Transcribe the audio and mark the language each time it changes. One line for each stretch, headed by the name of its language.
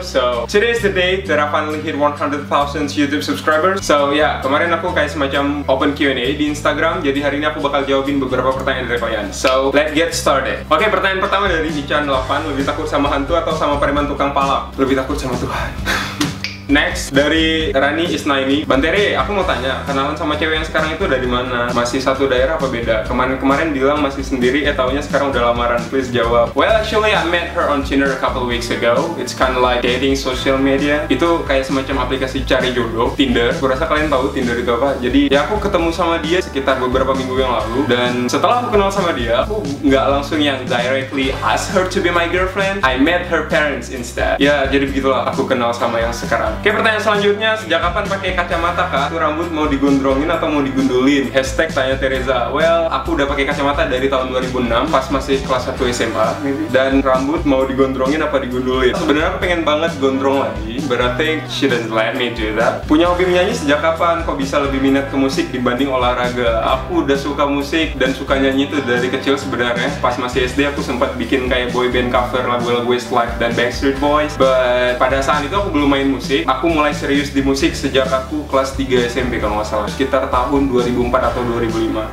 English: So today is the day that I finally hit 100,000 YouTube subscribers. So yeah,
Indonesian: kemarin aku kayak semacam open Q&A di Instagram. Jadi hari ini aku bakal jawabin beberapa pertanyaan dari kalian.
English: So let's get started.
Indonesian: Oke, pertanyaan pertama dari Nichan8. Lebih takut sama hantu atau sama preman tukang palak? Lebih takut sama Tuhan. Next, dari Rani Isnaini. Bantere, aku mau tanya, kenalan sama cewek yang sekarang itu dari mana? Masih satu daerah apa beda? Kemarin-kemarin bilang masih sendiri, taunya sekarang udah lamaran, please jawab.
English: Well, actually I met her on Tinder a couple weeks ago. It's kind of like dating social media.
Indonesian: Itu kayak semacam aplikasi cari jodoh, Tinder. Aku rasa kalian tahu Tinder itu apa. Jadi, ya aku ketemu sama dia sekitar beberapa minggu yang lalu. Dan setelah aku kenal sama dia, aku nggak langsung yang
English: directly ask her to be my girlfriend. I met her parents instead.
Indonesian: Ya, jadi begitulah aku kenal sama yang sekarang. Oke, pertanyaan selanjutnya, sejak kapan pakai kacamata kak? Itu rambut mau digondrongin atau mau digundulin? Hashtag tanya Teresa. Well, aku udah pakai kacamata dari tahun 2006 pas masih kelas 1 SMA. Dan rambut mau digondrongin apa digundulin? Sebenarnya aku pengen banget gondrong lagi,
English: but I think she doesn't let me do that.
Indonesian: Punya hobi menyanyi sejak kapan? Kok bisa lebih minat ke musik dibanding olahraga? Aku udah suka musik dan suka nyanyi itu dari kecil sebenarnya. Pas masih SD aku sempat bikin kayak boy band cover lagu-lagu Westlife dan Backstreet Boys. But pada saat itu aku belum main musik. Aku mulai serius di musik sejak aku kelas 3 SMP kalau nggak salah, sekitar tahun 2004 atau 2005.